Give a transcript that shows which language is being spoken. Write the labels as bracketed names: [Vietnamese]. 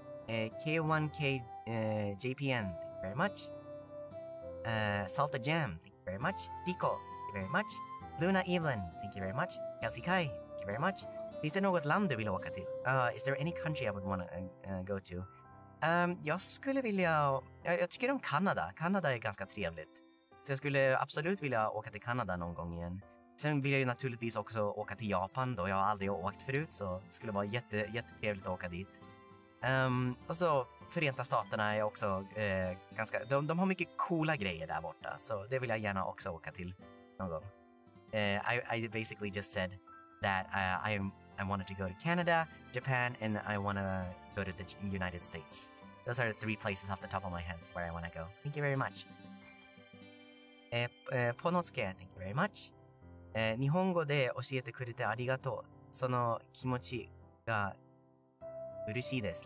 [English] K1KJPN, thank you very much. Salted Jam, thank you very much. Diko, thank you very much. Luna Evelyn, thank you very much. Kelsey Kai, thank you very much. Is there no good land to be located? Is there any country I would want to go to? [Swedish] Jag skulle vilja. Jag tycker om Kanada. Kanada är ganska trevligt. Så jag skulle absolut vilja åka till Kanada någon gång igen. Sen vill jag ju naturligtvis också åka till Japan då jag aldrig har åkt förut, så det skulle vara jättetrevligt att åka dit. Och så Förenta Staterna är också ganska. De har mycket coola grejer där borta, så det vill jag gärna också åka till någon gång. [English] I basically just said. That I wanted to go to Canada, Japan, and I want to go to the United States. Those are the three places off the top of my head where I want to go. Thank you very much. Ponosuke, thank you very much. [Japanese] 日本語で教えてくれてありがとう。その気持ちが嬉しいです。